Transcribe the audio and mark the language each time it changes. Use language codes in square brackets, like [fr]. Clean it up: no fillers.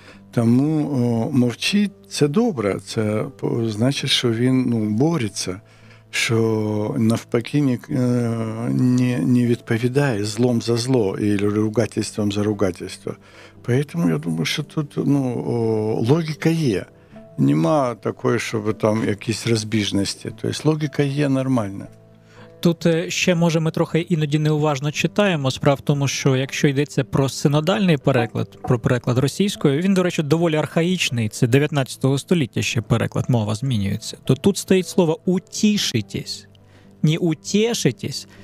[uk] Тому мовчить – це добре, це значить, що він, ну, бореться, що навпаки не відповідає злом за зло і [ru] ругательством за ругательство. Поэтому я думаю, что тут, ну, логика есть. Нема такой, чтобы там какие-то разбежности. То есть логика есть нормально. [uk] Тут ще, може, ми трохи іноді неуважно читаємо. Справа в тому, що якщо йдеться про синодальний переклад, про переклад російською, він, до речі, доволі архаїчний, це 19 століття ще переклад, мова змінюється, то тут стоїть слово «утішитесь», не «утєшитесь».